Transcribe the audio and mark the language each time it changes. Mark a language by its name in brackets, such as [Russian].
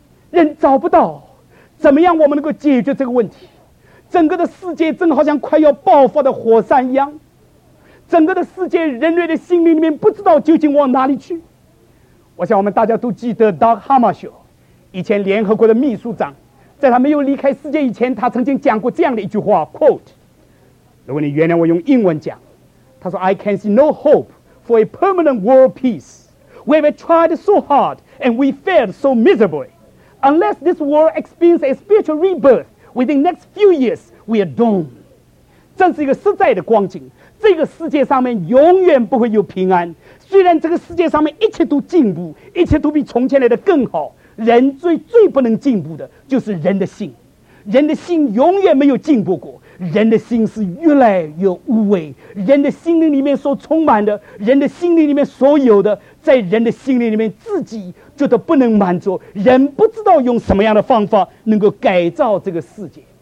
[Chinese] 人找不到怎么样我们能够解决这个问题，整个的世界正好像快要爆发的火山一样，整个的世界人类的心灵里面不知道究竟往哪里去。我想我们大家都记得 Doug Hammarskjöld， 以前联合国的秘书长，在他没有离开世界以前，他曾经讲过这样的一句话 quote，如果你原谅我用英文讲，他说 [English] I can see no hope for a permanent world peace. We have tried so hard and we failed so miserably. Unless this world experiences a spiritual rebirth within next few years, we are doomed. [Chinese] 这是一个实在的光景，这个世界上面永远不会有平安。虽然这个世界上面一切都进步，一切都比从前来的更好，人最不能进步的就是人的心，人的心永远没有进步过，人的心是越来越污秽，人的心灵里面所充满的，人的心灵里面所有的，在人的心灵里面自己觉得不能满足，人不知道用什么样的方法能够改造这个世界。